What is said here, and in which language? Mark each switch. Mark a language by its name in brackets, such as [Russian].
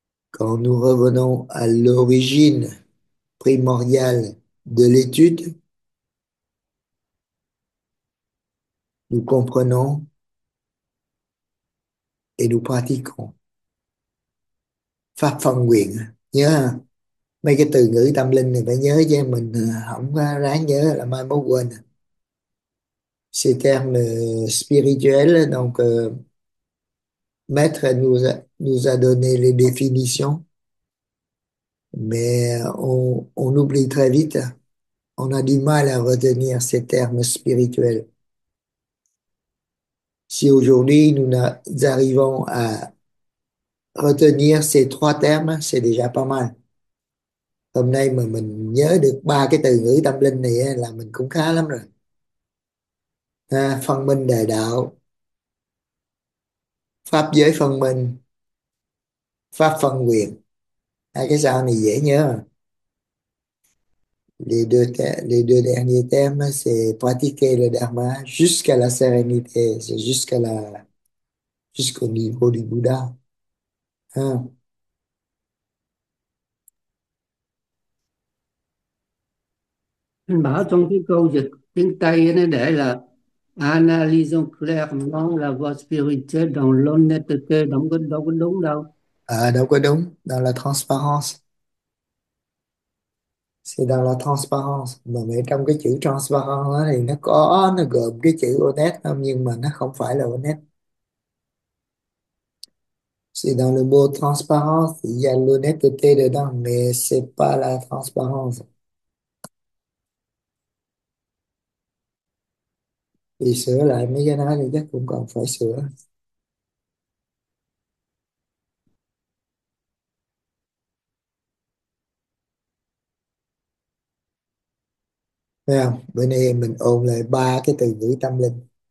[French] Quand nous revenons à l'origine primordiale de l'étude, nous comprenons et nous pratiquons. [Vietnamese] Pháp phân quyền, nhớ không? Mấy cái từ ngữ tâm linh này phải nhớ chứ, mình không ráng nhớ là mai mốt quên. [French] Ces termes spirituels, donc Maître nous a donné les définitions, mais on oublie très vite, on a du mal à retenir ces termes spirituels. Si aujourd'hui nous arrivons à retenir ces trois termes, c'est déjà pas mal. [Vietnamese] Hôm nay mà mình nhớ được ba cái từ ngữ tâm linh này là mình cũng khá lắm rồi. À, phân minh đại đạo, pháp giới phân minh, pháp phân quyền. Hai cái sau này dễ nhớ. [French] Les deux derniers termes, c'est pratiquer le dharma jusqu'à la sérénité, c'est jusqu'au niveau du Bouddha. Hein? [Vietnamese] Anh bảo trong cái câu dịch tiếng Tây nó để là [French] analyzing clairement la voie spirituelle dans l'honnêteté, [Vietnamese] đâu có đúng đâu. À, đâu có đúng, [French] dans la transparence. C'est dans la transparence. [Vietnamese] Mà mẹ trong cái chữ transparence đó thì nó gồm cái chữ honnête không, nhưng mà nó không phải là honnête. [French] C'est dans le mot transparence, il y a l'honnêteté dedans, mais c'est pas la transparence. [Vietnamese] Thì sửa lại mấy cái đó thì chắc cũng còn phải sửa. Thấy không? Bữa nay mình ôn lại ba cái từ ngữ tâm linh.